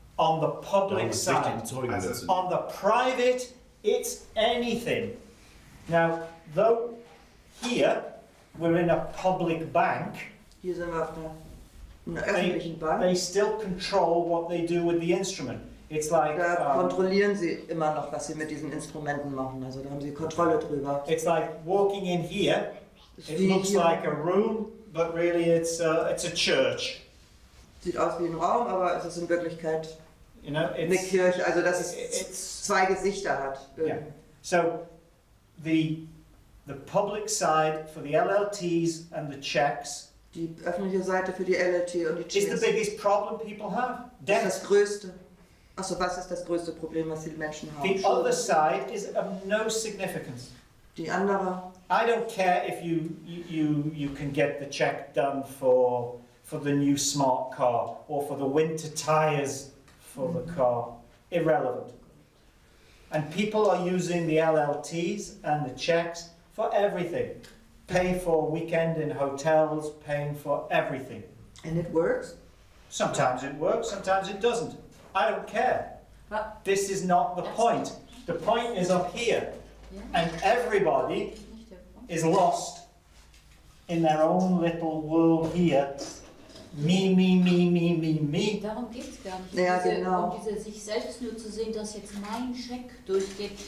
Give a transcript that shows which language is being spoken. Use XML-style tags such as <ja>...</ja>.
<en>On the public side. On the private, it's anything. Now, though here we're in a public bank.</en> <de>Hier sind wir auf einer öffentlichen Bank.</de> <en>They still control what they do with the instrument. It's like,</en> <de>da kontrollieren sie immer noch, was sie mit diesen Instrumenten machen. Also da haben sie Kontrolle drüber.</de> <en>It's like walking in here. It looks</en> <de>hier.</de> <en>Like a room, but really it's a church.</en> <de>Sieht aus wie ein Raum, aber es ist in Wirklichkeit</de> <en>you know,</en> <de>eine Kirche. Also dass es zwei Gesichter hat.</de> <en>Yeah. So the public side for the LLTs and the checks.</en> <de>Die öffentliche Seite für die LLT und die Checks.</de> <en>Is the biggest problem people have?</en> <de>Das ist das größte. Also was ist das größte Problem, was die Menschen haben?</de> <en>The other side is of no significance.</en> <de>Die andere.</de> <en>I don't care if you can get the check done for the new smart car or for the winter tires for the car. Irrelevant. And people are using the LLTs and the checks for everything. Pay for weekend in hotels, paying for everything. And it works? Sometimes it works, sometimes it doesn't. I don't care. But this is not the point. The point is up here. Yeah. And everybody is lost in their own little world here. Me, me, me, me, me, me.</en> <de>Darum geht es gar nicht. Ja, genau. Um diese sich selbst nur zu sehen, dass jetzt mein Scheck durchgeht.</de>